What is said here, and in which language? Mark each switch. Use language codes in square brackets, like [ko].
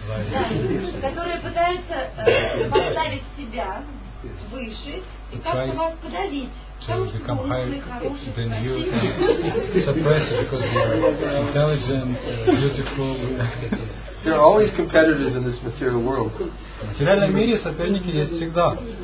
[ru] Да, которые пытаются поставить себя выше и как-то вас подавить. [en] To become higher than you and suppress it because you are intelligent, beautiful. There are always competitors in this material world. [ru] В материальном мире соперники есть всегда.